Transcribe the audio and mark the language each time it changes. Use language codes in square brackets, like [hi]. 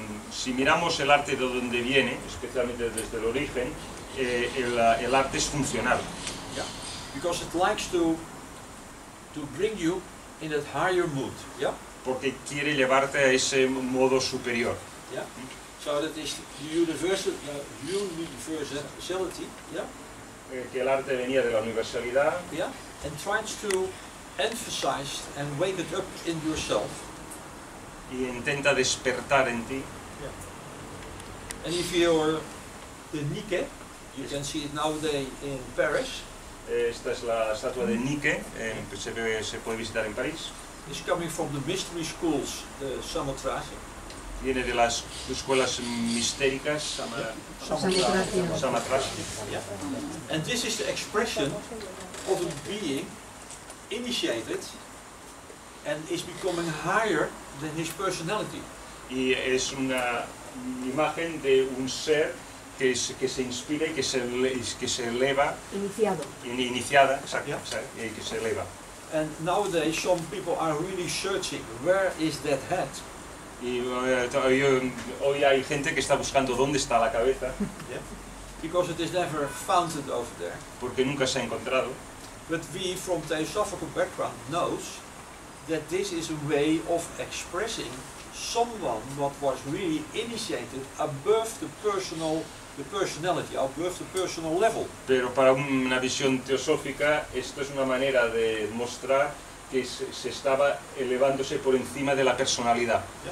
[es] Si miramos el arte de donde viene, especialmente desde el origen, el arte es funcional. [en] Yeah, because it likes to bring you in that higher mood. Yeah. [es] Porque quiere llevarte a ese modo superior. [en] Yeah. So that is the universality, [es] Que el arte venía de la universalidad. [en] Yeah. And tries to emphasize and wake it up in yourself. [es] Y intenta despertar en ti. [en] Yeah. And if you're the Nike, you can see it nowadays in Paris. [es] Esta es la estatua de Nike, se puede visitar en París. [en] It's coming from the mystery schools, the Samothrace. [es] Viene de las escuelas mistéricas, Samothrace. [en] And this is the expression of a being initiated and is becoming higher than his personality. [es] Y es una imagen de un ser que se inspira y que se eleva. Iniciado. Iniciada, exacto, y que se eleva. [en] And nowadays some people are really searching, where is that head? [es] Y hoy hay gente que está buscando dónde está la cabeza. [en] Because it is never found over there. [es] Porque nunca se ha encontrado. [en] But we from theosophical background knows that this is a way of expressing someone what was really initiated above the personality, above the personal level. [es] Pero para una visión teosófica esto es una manera de mostrar que se estaba elevándose por encima de la personalidad.